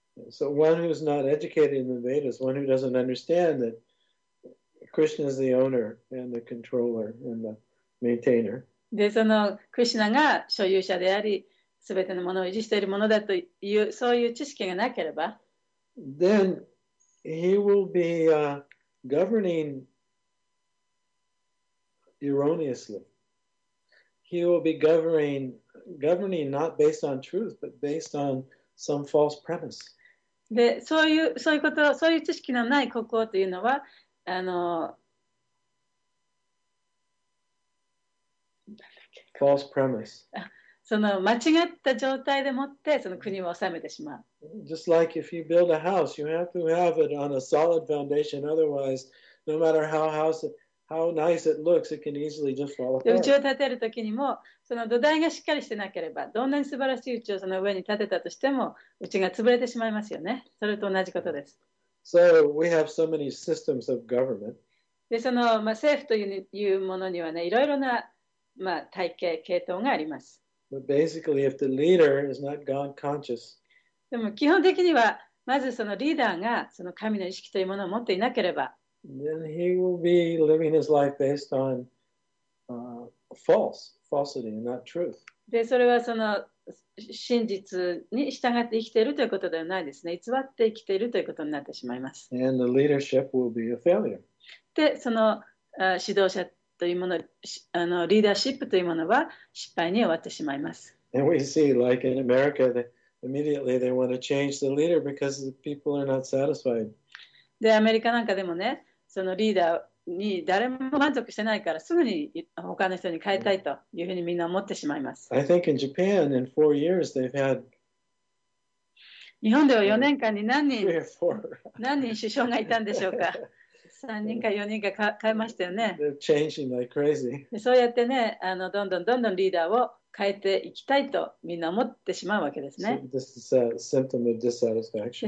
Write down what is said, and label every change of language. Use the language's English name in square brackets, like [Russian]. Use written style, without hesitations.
[English] So one who is not educated in the Vedas, one who doesn't understand that Krishna is the owner and the controller and the maintainer. [Japanese] でそのクリシナが所有者であり、すべてのものを維持しているものだというそういう知識がなければ、 [English] then he will be governing erroneously. He will be governing not based on truth, but based on some false premise. [Japanese] でそういうことそういう知識のない国王というのはあの。 [English] False premise. [Japanese] その間違った状態でもってその国を治めてしまう。 [English] Just like if you build a house, you have to have it on a solid foundation. Otherwise, no matter how nice it looks, it can easily just fall apart. [Japanese] 家を建てるときにもその土台がしっかりしてなければ、どんなに素晴らしい家をその上に建てたとしても、家が潰れてしまいますよね。それと同じことです。 [English] So we have so many systems of government. [Japanese] でその、まあ、政府というものにはね、いろいろなまあ、体系系統があります。 [English] But basically, if the leader is not God conscious, [Japanese] でも基本的にはまずそのリーダーがその神の意識というものを持っていなければ、 [English] then he will be living his life based on falsity and not truth. [Japanese] でそれはその真実に従って生きているということではないですね。偽って生きているということになってしまいます。 [English] And the leadership will be a failure. [Japanese] でその指導者というものあのリーダーシップというものは失敗に終わってしまいます。 [English] And we see, like in America, immediately they want to change the leader because the people are not satisfied. [Japanese] で、アメリカなんかでもね、そのリーダーに誰も満足してないから、すぐに他の人に変えたいというふうにみんな思ってしまいます。 [English] I think in Japan, in 4 years, they've had [Japanese] 日本では4年間に何人首相がいたんでしょうか。 3人か4人か変えましたよね。 [English] They're changing like crazy. [Japanese] そうやってね、あのどんどんどんどんリーダーを変えていきたいとみんな思ってしまうわけですね。 [English] So、this is a symptom of dissatisfaction.